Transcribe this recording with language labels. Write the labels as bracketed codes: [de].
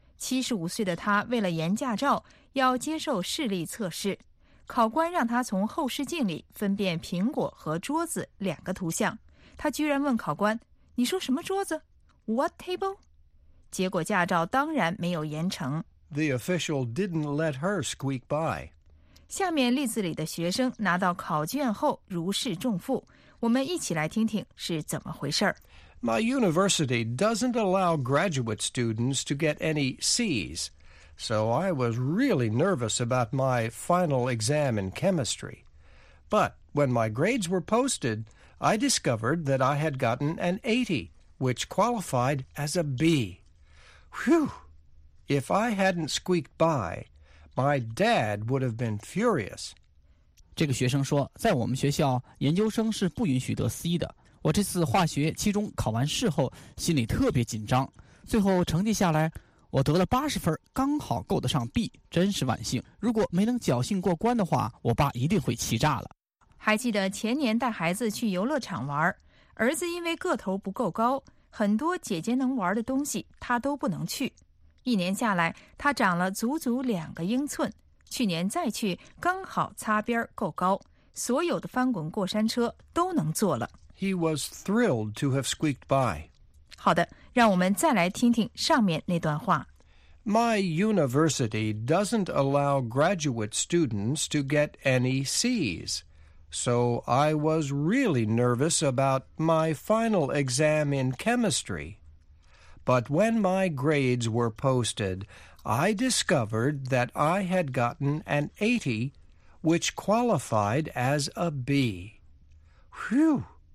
[zh] 75岁的她为了研驾照要接受视力测试，考官让她从后视镜里分辨苹果和桌子两个图像，她居然问考官，你说什么桌子 ？ [en] What table？ [zh] 结果驾照当然没有延成。 [en] The official didn't let her squeak by. [zh] 下面例子里的学生拿到考卷后如释重负，我们一起来听听是怎么回事。 [en] My university doesn't allow graduate students to get any C's, so I was really nervous about my final exam in chemistry. But when my grades were posted,I discovered that I had gotten an 80, which qualified as a B. Whew! If I hadn't squeaked by, my dad would have been furious. [zh] 这个学生说，在我们学校，研究生是不允许得 C 的。我这次化学期中考完试后，心里特别紧张。最后成绩下来，我得了80分，刚好够得上 B, 真是万幸。如果没能侥幸过关的话，我爸一定会气炸了。还记得前年带孩子去游乐场玩，儿子因为个头不够高，很多姐姐能玩的东西他都不能去。一年下来，他长了足足两个英寸。去年再去，刚好擦边够高，所有的翻滚过山车都能坐了。 [en] He was thrilled to have squeaked by. [zh] 好的，让我们再来听听上面那段话。 [en] My university doesn't allow graduate students to get any C's, so I was really nervous about my final exam in chemistry. But when my grades were posted, I discovered that I had gotten an 80, which qualified as a B. Whew!